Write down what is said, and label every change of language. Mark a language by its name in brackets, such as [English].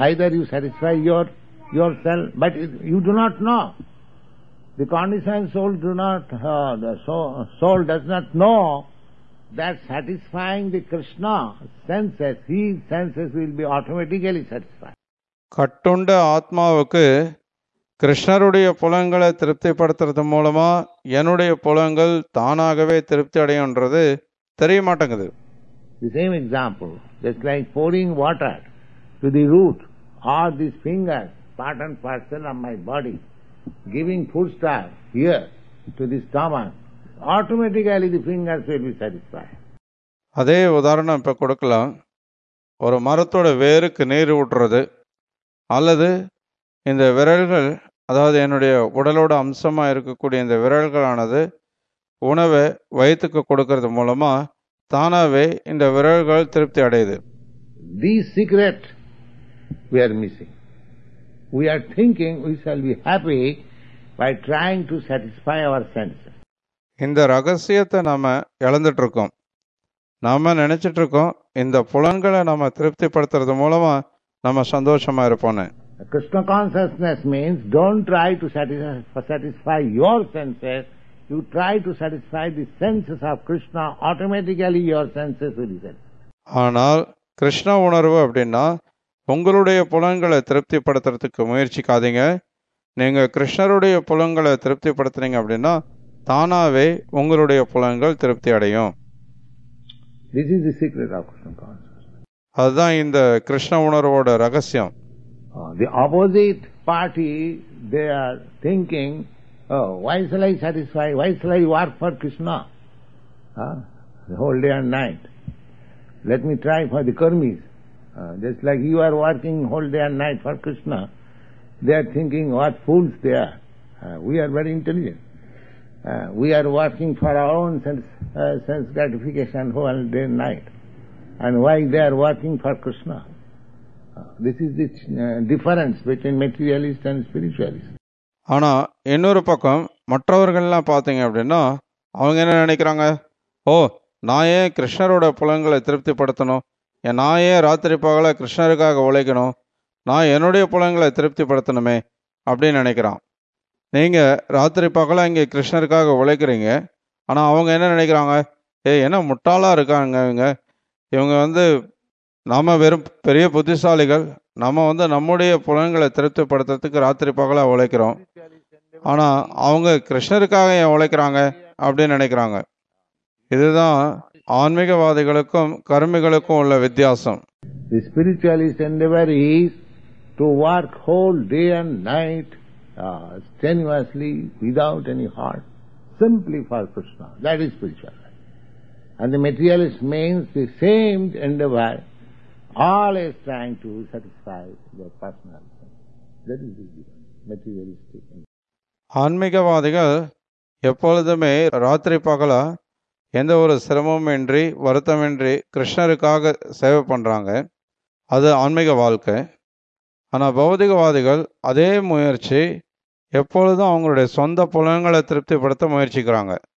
[English] Either you satisfy yourself, but you do not know. The conditioned soul do not, the soul does not know that satisfying the Krishna senses, his senses will be automatically satisfied. [Tamil] கட்டுண்ட ஆத்மாவுக்கு கிருஷ்ணருடைய புலன்களை திருப்திப்படுத்துறது மூலமா என்னுடைய புலன்கள் தானாகவே திருப்தி அடையும்ன்றது தெரிய மாட்டேங்குது. [English] The same example, just like pouring water to the root or these fingers, part and parcel of my body, giving food stuff here to the stomach, automatically the fingers will be satisfied. [Tamil] அதே உதாரணம் இப்ப கொடுக்கலாம். ஒரு மரத்தோட வேருக்கு நீர் ஊற்றுறது, அல்லது இந்த விரல்கள், அதாவது என்னுடைய உடலோட அம்சமாக இருக்கக்கூடிய இந்த விரல்களானது உணவை வயிற்றுக்கு கொடுக்கறது மூலமா தானாகவே இந்த விரல்கள் திருப்தி அடையுது. [English] The secret we are missing. We are thinking we shall be happy by trying to satisfy our sense. [Tamil] இந்த ரகசியத்தை நாம இழந்துட்டு இருக்கோம். நாம நினைச்சிட்டு இருக்கோம் இந்த புலன்களை நம்ம திருப்திப்படுத்துறது மூலமா நம்ம சந்தோஷமா இருப்போம்னு. [English] Krishna consciousness means don't try to satisfy your senses, you try to satisfy the senses of Krishna, automatically your senses will be satisfied. [Tamil] ஆனால் கிருஷ்ண உணர்வு அப்படின்னா உங்களுடைய புலன்களை திருப்திப்படுத்துறதுக்கு முயற்சிக்காதீங்க. நீங்க கிருஷ்ணருடைய புலன்களை திருப்திப்படுத்துறீங்க அப்படின்னா தானாவே உங்களுடைய புலன்கள் திருப்தி அடையும். [English] This is the secret of Krishna consciousness. [Tamil] அதுதான் இந்த கிருஷ்ண உணர்வோட ரகசியம். [English] The opposite party, they are thinking, why shall I satisfy, why shall I work for Krishna the whole day and night? Let me try for the karmis. Just like you are working whole day and night for Krishna, they are thinking, what fools they are. We are very intelligent. We are working for our own sense gratification whole day and night. And why they are working for Krishna? This is the difference between materialist and spiritualist. [Tamil] ஆனா இன்னொரு பக்கம் மற்றவர்கள் எல்லாம் பாத்தீங்க அப்படின்னா அவங்க என்ன நினைக்கிறாங்க? ஓ, நான் ஏன் கிருஷ்ணரோட புலன்களை திருப்திப்படுத்தணும், என் நான் ஏன் ராத்திரி பகல கிருஷ்ணருக்காக உழைக்கணும், நான் என்னுடைய புலன்களை திருப்திப்படுத்தணுமே அப்படின்னு நினைக்கிறான். நீங்கள் ராத்திரி பகல இங்கே கிருஷ்ணருக்காக உழைக்கிறீங்க, ஆனால் அவங்க என்ன நினைக்கிறாங்க, ஏ என்ன முட்டாளாக இருக்காங்க இவங்க, இவங்க வந்து நம்ம வெறும் பெரிய புத்திசாலிகள், நம்ம வந்து நம்முடைய புலன்களை திருப்திப்படுத்துறதுக்கு ராத்திரி பகல உழைக்கிறோம், ஆனால் அவங்க கிருஷ்ணருக்காக ஏன் உழைக்கிறாங்க அப்படின்னு நினைக்கிறாங்க. இதுதான் ஆன்மீகவாதிகளுக்கும் கர்மிகளுக்கும் உள்ள வித்தியாசம். [English] The spiritualist endeavor is to work whole day and night, strenuously, without any heart, simply for Krishna. That is spiritual. And the materialist means the same endeavor, always trying to satisfy their personal thing. That is the materialistic endeavor. [Tamil] ஆன்மீகவாதிகள் எப்பொழுதுமே ராத்திரி பகல எந்த ஒரு சிரமமின்றி வருத்தமின்றி கிருஷ்ணருக்காக சேவை பண்ணுறாங்க, அது ஆன்மீக வாழ்க்கை. ஆனால் பௌதிகவாதிகள் அதே முயற்சி எப்பொழுதும் அவங்களுடைய சொந்த புலன்களை திருப்திப்படுத்த முயற்சிக்கிறாங்க.